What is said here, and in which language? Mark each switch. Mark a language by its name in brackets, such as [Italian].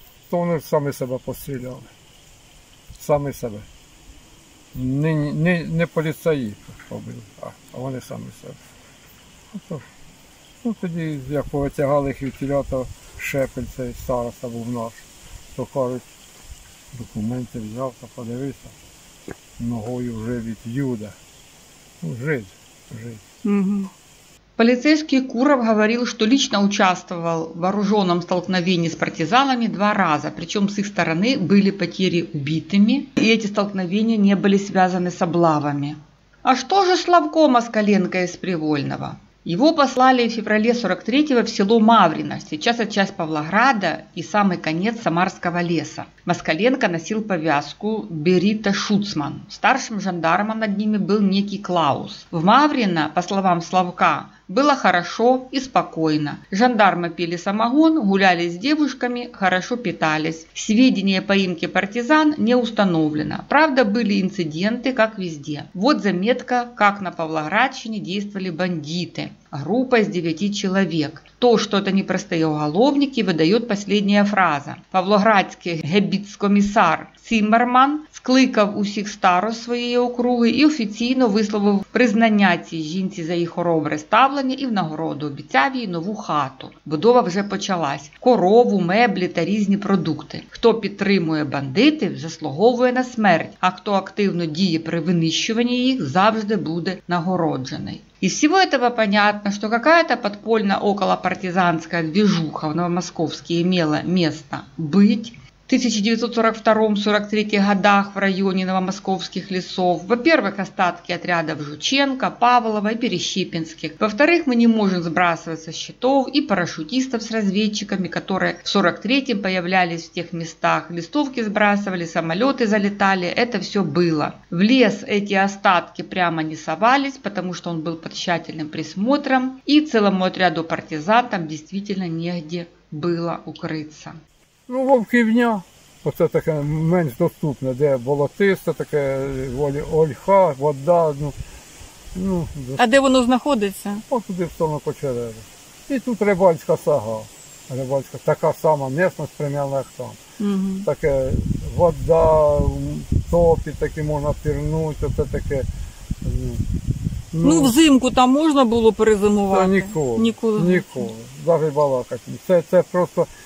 [Ukrainian] То вони самі себе постріляли, самі себе, не поліцаї побили, а вони самі себе. Ну, тоді, як повитягали їх від тіля, то Шепель, цей староста був наш, то кажуть, документи взяв, то подивися, ногою вже від Юда, жить. [Russian] Полицейский Куров говорил, что лично участвовал в вооруженном столкновении с партизанами 2 раза, причем с их стороны были потери убитыми, и эти столкновения не были связаны с облавами. А что же Славко Москаленко из Привольного? Его послали в феврале 43-го в село Маврино, сейчас это часть Павлограда и самый конец Самарского леса. Москаленко носил повязку Берита Шуцман. Старшим жандармом над ними был некий Клаус. В Маврино, по словам Славка, было хорошо и спокойно. Жандармы пили самогон, гуляли с девушками, хорошо питались. Сведения о поимке партизан не установлено. Правда, были инциденты, как везде. Вот заметка, как на Павлоградщине действовали бандиты. Группа из 9 человек. То, что это непростые уголовники, выдает последняя фраза. [Ukrainian] Павлоградский гебіцкомісар Циммерман скликав усіх старост своєї округи і офіційно висловив признання цій жінці за її хоробре ставлення і в нагороду обіцяв їй нову хату. Будова вже почалась. Корову, меблі та різні продукти. Хто підтримує бандитів, заслуговує на смерть, а хто активно діє при винищуванні їх, завжди буде нагороджений. [Russian] Из всего этого понятно, что какая-то подпольная околопартизанская движуха в Новомосковске имела место быть в 1942-43 годах в районе новомосковских лесов. Во-первых, остатки отрядов Жученко, Павлова и Перещепинских. Во-вторых, мы не можем сбрасывать со счетов и парашютистов с разведчиками, которые в 43-м появлялись в тех местах. Листовки сбрасывали, самолеты залетали, это все было. В лес эти остатки прямо не совались, потому что он был под тщательным присмотром. И целому отряду партизан там действительно негде было укрыться. [Ukrainian] Ну, Вовківня, оце таке менш доступне, де болотисто, таке ольха, вода. Ну, а де воно знаходиться? От туди, в сторону Кочерева. І тут Рибальська сага. Рибальська, така сама місцевість примірно, як там. Угу. Таке вода, топі, такі можна пірнути, оце таке. Ну, ну взимку там можна було перезимувати? Та ніколи. Ніколи. Ніколи. Даже балакати. Це просто.